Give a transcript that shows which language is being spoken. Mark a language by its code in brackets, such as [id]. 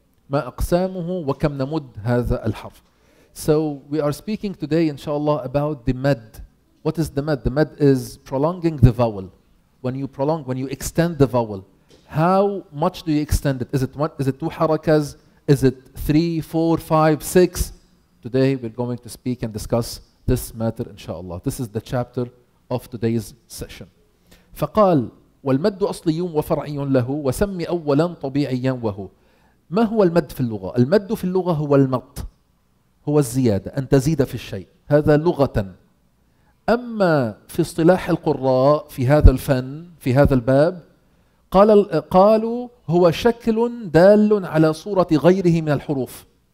[ar] ما أقسامه وكم نمد هذا الحرف. [en] So we are speaking today inshallah about the mad. What is the mad? The mad is prolonging the vowel. When you prolong, when you extend the vowel, how much do you extend it? Is it two harakas? Is it three, four, five, six? Today we're going to speak and discuss this matter inshallah. This is the chapter of today's session. [ar] فقال والمد أصلي وفرعي له، وسمي أولا طبيعيا وهو. ما هو المد في اللغة؟ المد في اللغة هو المط، هو الزيادة، أن تزيد في الشيء، هذا لغة. أما في اصطلاح القراء في هذا الفن، في هذا الباب، قالوا هو شكل دال على صورة غيره من الحروف.